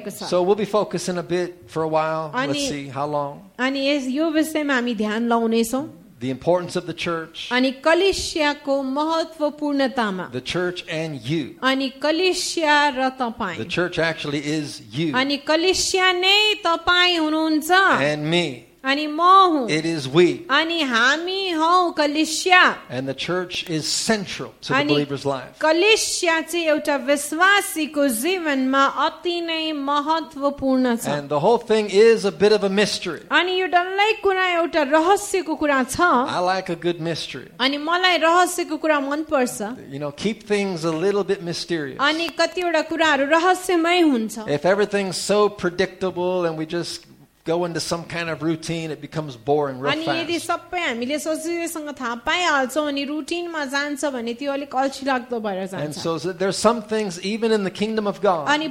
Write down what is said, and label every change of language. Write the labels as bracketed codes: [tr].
[en] So we'll be focusing a bit for a while. Let's see how long. The importance of the church. [ne] अनि कलिसियाको महत्वपूर्णतामा. [en] The church and you. [ne] अनि कलिसिया र तपाईं. [en] The church actually is you. [ne] अनि कलिसिया नै तपाईं हुनुहुन्छ. [en] And me. [ne] अनि म हुँ. [en] It is we. [ne] अनि हामी हौ कलिसिया. [en] And the church is central to the believer's life. [ne] कलिसिया चाहिँ एउटा विश्वासीको जीवनमा अति नै महत्वपूर्ण छ. [en] And the whole thing is a bit of a mystery. [ne] अनि यो डल्लै कुरा एउटा रहस्यको कुरा छ. [en] I like a good mystery. [ne] अनि मलाई रहस्यको कुरा मन पर्छ. [en] You know, keep things a little bit mysterious. [ne] अनि कतिवटा कुराहरू रहस्यमय हुन्छ. [en] If everything's so predictable and we just go into some kind of routine, it becomes boring real fast. And so there's some things, even in the kingdom of God,